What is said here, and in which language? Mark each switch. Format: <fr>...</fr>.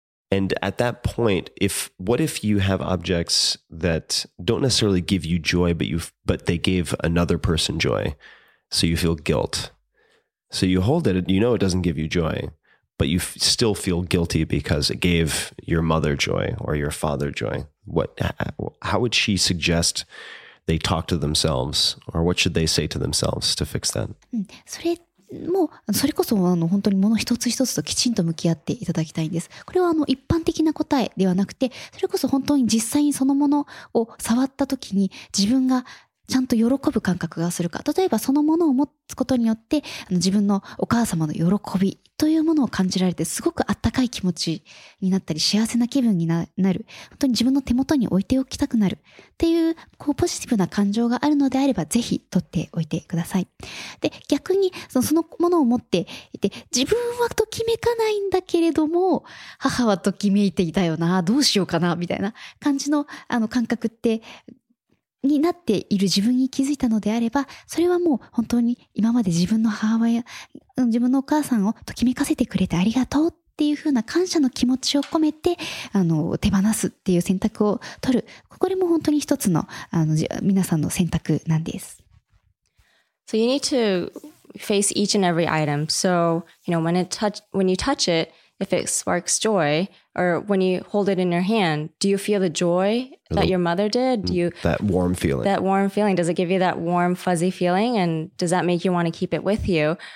<en>And at that point, what if you have objects that don't necessarily give you joy, but they gave another person joy, so you feel guilt. So you hold it, you know it doesn't give you joy, but you still feel guilty because it gave your mother joy or your father joy. How would she suggest... they talk to themselves, or what should they say to themselves to fix that?</en> <ja>それもそれこそ本当に物一つ一つときちんと向き合っていただきたいんです。これは一般的な答えではなくて、それこそ本当に実際にそのものを触ったときに自分がちゃんと喜ぶ感覚がするか、例えばそのものを持つことによって自分のお母様の喜びというものを感じられて、すごくあったかい気持ちになったり、幸せな気分になる、本当に自分の手元に置いておきたくなるってい こうポジティブな感情があるのであれば、ぜひ取っておいてください。で、逆にそのものを持っていて、自分はときめかないんだけれども母はときめいていたよな、どうしようかなみたいな感じ の感覚ってになっている自分に気づいたのであれば、それはもう本当に今まで自分の母親、自分のお母さんをときめかせてくれてありがとうっていうふうな感謝の気持ちを込めて手放すっていう選択を取る。これも本当に一つの皆さんの選択なんです。</ja> <en>So you need to face each and every item. So, you know, when you touch it, if it sparks joy, or when you hold it in your hand, do you feel the joy? That your mother did? That warm feeling. That warm feeling. Does it give you that warm, fuzzy feeling? And does that make you want to keep it with you?</en>